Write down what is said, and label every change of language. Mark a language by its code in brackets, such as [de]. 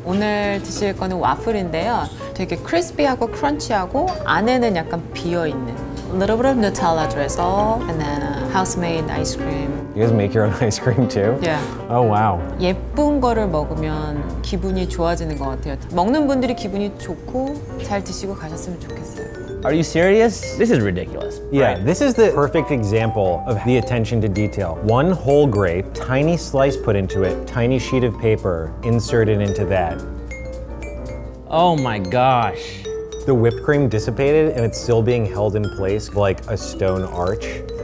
[ko] 오늘 드실 거는 와플인데요. 되게 크리스피하고 크런치하고 안에는 약간 비어있는. [en] A little bit of Nutella drizzle, and then house-made ice cream. You guys make your own ice cream too? Yeah. Oh, wow. [ko] 예쁜 거를 먹으면 기분이 좋아지는 것 같아요. 먹는 분들이 기분이 좋고 잘 드시고 가셨으면 좋겠어요. [en] Are you serious? This is ridiculous. Yeah, right. This is the perfect example of the attention to detail. One whole grape, tiny slice put into it, tiny sheet of paper inserted into that. Oh my gosh. The whipped cream dissipated and it's still being held in place like a stone arch.